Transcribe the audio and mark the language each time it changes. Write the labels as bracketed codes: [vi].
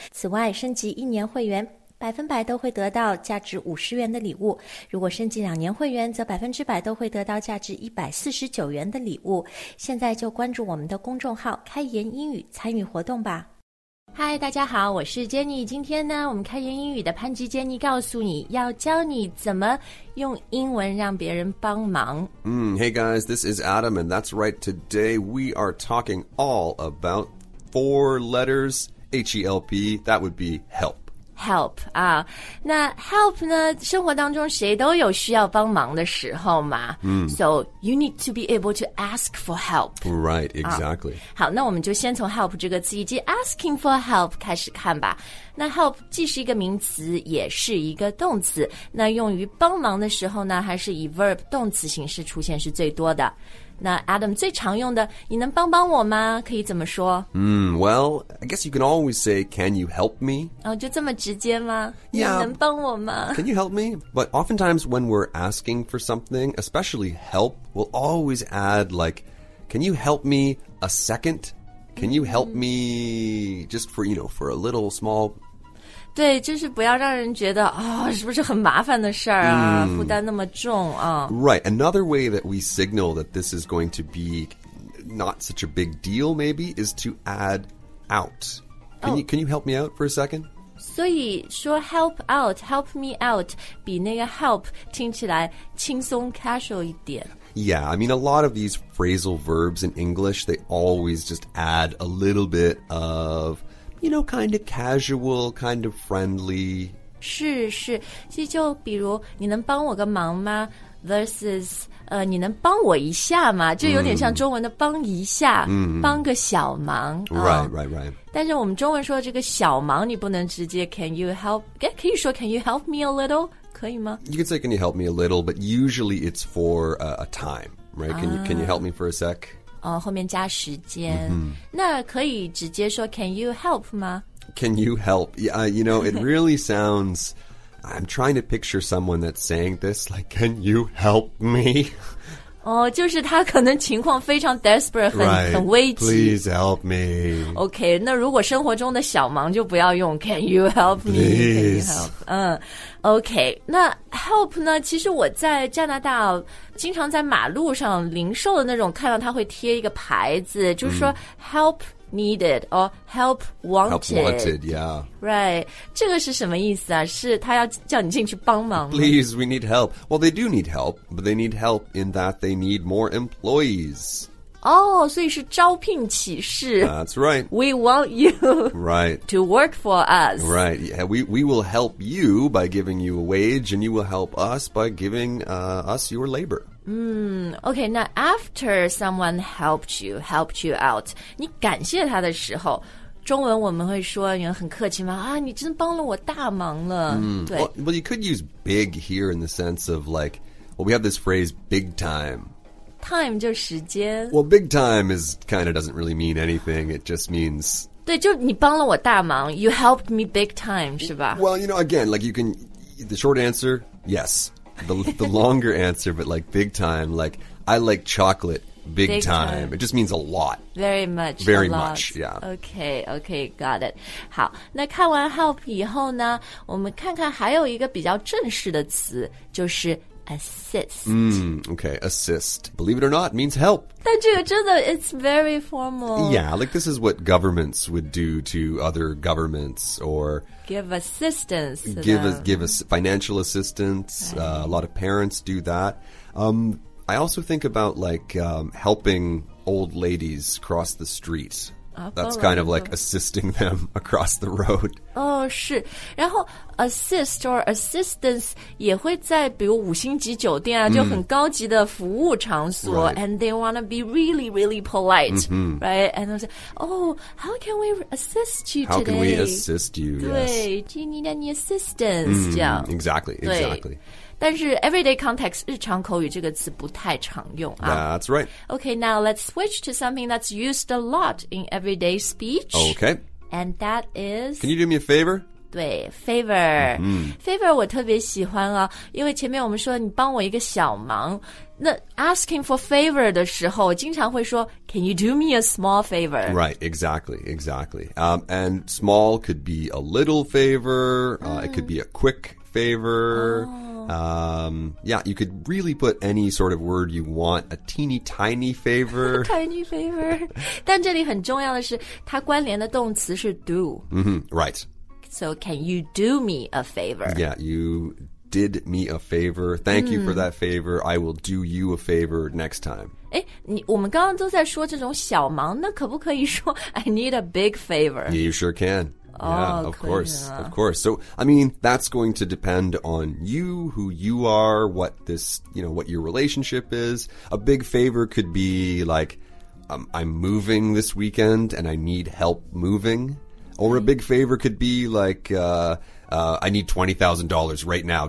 [zh] 此外，升级一年会员100%都会得到价值50元的礼物，如果升级两年会员则100%都会得到价值149元的礼物。现在就关注我们的公众号开言英语参与活动吧。嗨，大家好，我是 Jenny。今天呢，我们开言英语的潘吉 Jenny 告诉你要教你怎么用英文让别人帮忙。 [en] Hey guys, this is Adam, and that's right. Today we are talking all about four letters, H-E-L-P, that would be help. [zh] Help 啊，那 help 呢？生活当中谁都有需要帮忙的时候嘛。 [en] So you need to be able to ask for help. Right, exactly. [zh] 好，那我们就先从 help 这个词以及 asking for help 开始看吧。那 help 既是一个名词，也是一个动词。那用于帮忙的时候呢，还是以 verb 动词形式出现是最多的。那 Adam 最常用的，你能帮帮我吗？可以怎么说？ [en] Well, I guess you can always say, can you help me? [zh] 哦，就这么直接吗？ [en] Yeah. [zh] 你能帮我吗？ [en] Can you help me? But oftentimes when we're asking for something, especially help, we'll always add like, can you help me a second? Can you help me just for, you know, for a little small... [zh] 对，就是不要让人觉得、哦、是不是很麻烦的事儿啊、负担那么重啊。 [en] Right, another way that we signal that this is going to be not such a big deal, maybe, is to add out. Can you help me out for a second? [zh] 所以说 [en] help out, help me out, [zh] 比那个 help 听起来轻松 casual 一点。 [en] Yeah, I mean, a lot of these phrasal verbs in English, they always just add a little bit of... You know, kind of casual, kind of friendly. [zh] 是是，其实就比如你能帮我个忙吗 versus 你能帮我一下吗？就有点像中文的帮一下，帮个小忙。 [en] Right, right, right. [zh] 但是我们中文说这个小忙，你不能直接 [en] can you help? [zh] 可以说 [en] can you help me a little? [zh] 可以吗？ [en] You can say can you help me a little, but usually it's for a time, right? Can you help me for a sec? [zh] 后面加时间、那可以直接说 [en] can you help [zh] 吗 [en] can you help yeah, you know it really sounds I'm trying to picture someone that's saying this like can you help me [zh] 哦，就是他可能情况非常 desperate 很危急 [en] please help me [zh] OK 那如果生活中的小忙就不要用 [en] can you help me please can you help? OK 那Help 呢？ [zh] 其实我在加拿大经常在马路上零售的那种看到他会贴一个牌子，就是说 [en] Help needed or Help wanted. Help wanted, yeah. [zh] Right. 这个是什么意思啊？是他要叫你进去帮忙吗 [en] Please, we need help. Well, they do need help, but they need help in that they need more employees. [zh] Oh, 所以是招聘启事 [en] That's right. We want you right. to work for us. Right. Yeah, we will help you by giving you a wage and you will help us by giving us your labor. Okay, now after someone helped you out, [zh] 你感谢他的时候中文我们会说你很客气吗、啊、你真帮了我大忙了、 [en] Well, you could use big here in the sense of like, well, we have this phrase big time. [zh] Time 就时间 [en] Well, big time is kind of doesn't really mean anything. It just means... [zh] 对就你帮了我大忙 [en] You helped me big time, [zh] 是吧 [en] Well, you know, again, like you can... The short answer, yes. The longer answer, but like big time, like I like chocolate big time. It just means a lot. Very much, Very a much, lot. Yeah. Okay, got it. [zh] 好那看完 help 以后呢我们看看还有一个比较正式的词就是Assist. [en] Okay, assist. Believe it or not, means help. [zh] 但这个真的 [en] it's very formal. Yeah, like this is what governments would do to other governments or... Give assistance. Give us financial assistance. Right. A lot of parents do that. I also think about like helping old ladies cross the street. That's kind of like assisting them across the road. [zh] Oh, 是。然后 assist or assistance 也会在比如五星级酒店啊、就很高级的服务场所、 [en] right. and they want to be really, really polite,、right? And they'll say, oh, how can we assist you today? How can we assist you? [zh] 对、 [en] yes. Do you need any assistance?、 [zh] 这样。 [en] Exactly, exactly. [zh] 但是 [en] everyday context, [zh] 日常口语这个词不太常用啊。 [en] That's right. Okay, now let's switch to something that's used a lot in everyday speech. Okay. And that is... Can you do me a favor? 对 favor、mm-hmm. [zh] favor 我特别喜欢啊，因为前面我们说你帮我一个小忙，那 [en] asking for favor [zh] 的时候经常会说 [en] can you do me a small favor? Right, exactly, exactly、and small could be a little favor、it could be a quick favor、yeah, you could really put any sort of word you want, a teeny tiny favor. tiny favor. [zh] 但这里很重要的是它关联的动词是 do、 [en] mm-hmm. Right. So can you do me a favor? Yeah, you did me a favor. Thank、mm. you for that favor. I will do you a favor next time. [zh] 诶，你我们刚刚都在说这种小忙，那可不可以说 I need a big favor? [en] Yeah, you sure can. Oh, yeah, of course, of course. So, I mean, that's going to depend on you, who you are, what this, you know, what your relationship is. A big favor could be like, I'm moving this weekend and I need help moving. Or a big favor could be like, I need $20,000 right now.